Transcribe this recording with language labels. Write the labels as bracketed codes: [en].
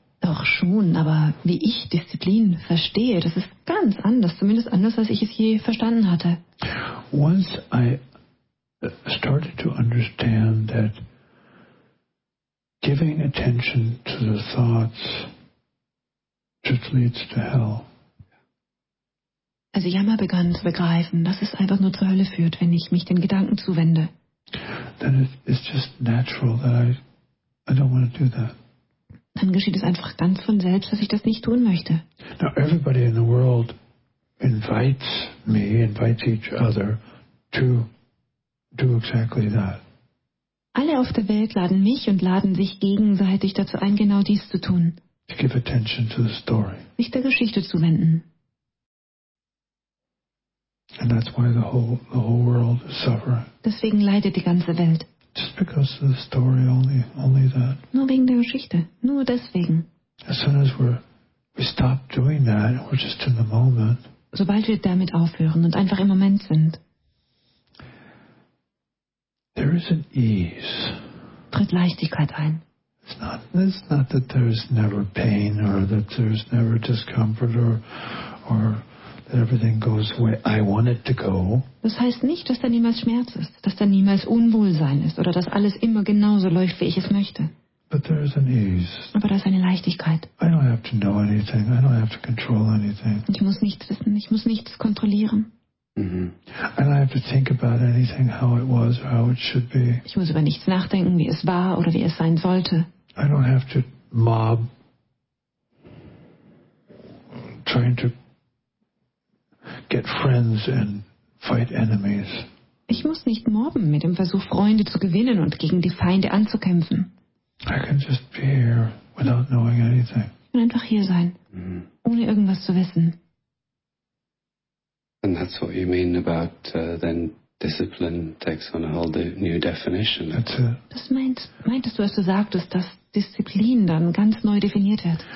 [de] Doch schon, aber wie ich Disziplin verstehe, das ist ganz anders, zumindest anders, als ich es je verstanden hatte. [en] Once I started to understand that giving attention to the thoughts just leads to hell. [de] Also ich habe mal begonnen zu begreifen, dass es einfach nur zur Hölle führt, wenn ich mich den Gedanken zuwende. [en] Then it's just natural that I don't want to do that. [de] Dann geschieht es einfach ganz von selbst, dass ich das nicht tun möchte. [en] Now everybody in the world invites each other to do exactly that. [de] Alle auf der Welt laden mich und laden sich gegenseitig dazu ein, genau dies zu tun. [en] To give attention to the story. [de] Sich der Geschichte zuwenden. [en] And that's why the whole world is suffering. [de] Deswegen leidet die ganze Welt. [en] Just because of the story, only that. [de] Nur wegen der Geschichte, nur deswegen. [en] As soon as we stop doing that, we're just in the moment. [de] Sobald wir damit aufhören und einfach im Moment sind. [en] There is an ease. [de] Tritt Leichtigkeit ein. [en] It's not that there's never pain or that there's never discomfort or that everything goes the way I want it to go. [de] Das heißt nicht, dass da niemals Schmerz ist, dass da niemals Unwohlsein ist oder dass alles immer genauso läuft, wie ich es möchte. [en] But there is an ease. [de] Aber da ist eine Leichtigkeit. [en] I don't have to know anything. I don't have to control anything. [de] Ich muss nichts wissen. Ich muss nichts kontrollieren. Mm-hmm. [en] I don't have to think about anything, how it was or how it should be. [de] Ich muss über nichts nachdenken, wie es war oder wie es sein sollte. [en] I don't have to mob trying to get friends and fight enemies. [de] Ich muss nicht mobben mit dem Versuch, Freunde zu gewinnen und gegen die Feinde anzukämpfen. [en] I can just be here without knowing anything. [de] Ich kann einfach hier sein, mm-hmm. ohne irgendwas zu wissen. [en] And that's what you mean about then discipline takes on a whole new definition. That's it. [de] Das meintest du, als du sagtest, dass Disziplin dann ganz neu definiert wird?